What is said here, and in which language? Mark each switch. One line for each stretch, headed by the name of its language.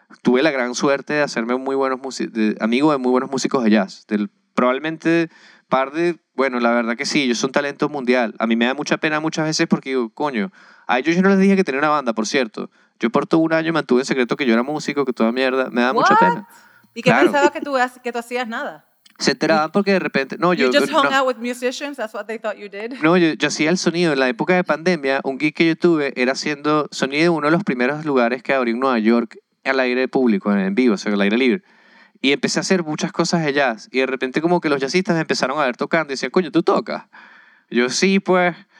Spanish: Tuve la gran suerte de hacerme muy buenos amigo de muy buenos músicos de jazz. Probablemente par de... Bueno, la verdad que sí, ellos son talento mundial. A mí me da mucha pena muchas veces porque digo, coño, a ellos yo no les dije que tenía una banda, por cierto. Yo por todo un año mantuve en secreto que yo era músico, que toda mierda. Me da
English: ¿What?
Spanish: Mucha pena. ¿Y qué claro. pensabas que tú hacías nada? Se enteraban porque de repente... No,
English: you just hung out with musicians, that's what they thought you did.
Spanish: No, yo hacía el sonido. En la época de pandemia, un gig que yo tuve era haciendo sonido en uno de los primeros lugares que abrió en Nueva York al aire público, en vivo, o sea, al aire libre. Y empecé a hacer muchas cosas de jazz. Y de repente como que los jazzistas me empezaron a ver tocando y decían, coño, ¿tú tocas? Yo, sí, pues.